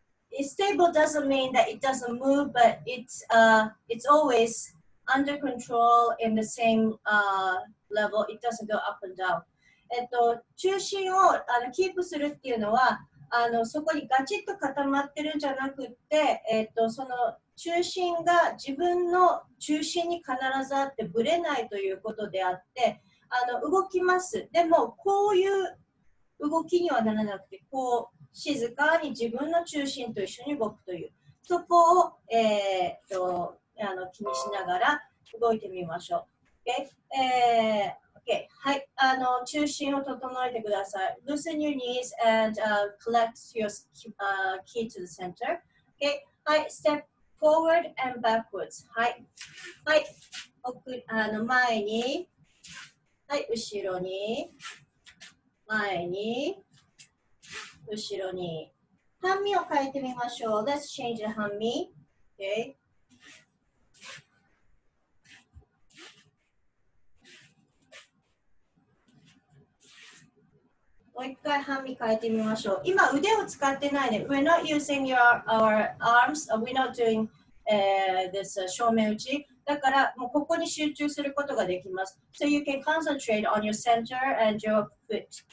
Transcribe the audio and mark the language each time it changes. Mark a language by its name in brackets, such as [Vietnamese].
[English] It's stable doesn't mean that it doesn't move, but it's always under control in the same level. It doesn't go up and down. [Japanese] 中心をキープするっていうのは、そこにガチッと固まってるんじゃなくって、その中心が自分の中心に必ずあってブレないということであって、動きます。でもこういう動きにはならなくて、こう静かに自分の中心と一緒に動くというそこを、気にしながら動いてみましょう。 [English] Okay? Okay. [Japanese] はい、中心を整えてください。 [English] Loosen your knees and collect your key to the center. Okay. はい、step forward and backwards. [Japanese] はい、はい、前に、はい、後ろに、前に、後ろに。半身を変えてみましょう。 [English] Let's change the 半身。Okay. [Japanese] もう一回半身変えてみましょう。今腕を使ってないね。 [English] We're not using our arms. We're not doing this 正面打ち。 [Japanese] だからもうここに集中することができます。 [English] So you can concentrate on your center and your foot.